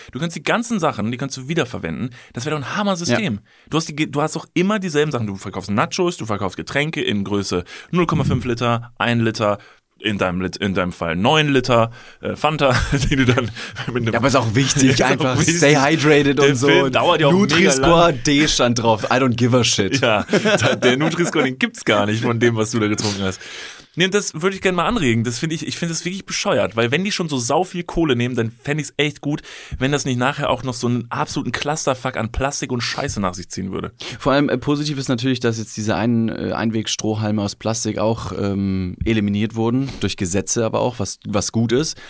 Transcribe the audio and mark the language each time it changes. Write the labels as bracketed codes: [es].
[de] Du kannst die ganzen Sachen, die kannst du wiederverwenden. Das wäre doch ein Hammer-System. Ja. Du hast doch immer dieselben Sachen. Du verkaufst Nachos, du verkaufst Getränke in Größe 0,5 Liter, 1 Liter, in deinem Fall 9 Liter Fanta, die du dann mit einem... Ja, aber ist auch wichtig, einfach auch wichtig. [en] Stay hydrated [de] der und so. Film dauert ja auch Nutri-Score D stand drauf, [en] I don't give a shit. [de] Ja, der Nutri-Score, den gibt's gar nicht von dem, was du da getrunken hast. Nee, das würde ich gerne mal anregen, ich finde das wirklich bescheuert, weil wenn die schon so sau viel Kohle nehmen, dann fände ich es echt gut, wenn das nicht nachher auch noch so einen absoluten Clusterfuck an Plastik und Scheiße nach sich ziehen würde. Vor allem positiv ist natürlich, dass jetzt diese Einwegstrohhalme aus Plastik auch eliminiert wurden, durch Gesetze aber auch, was gut ist.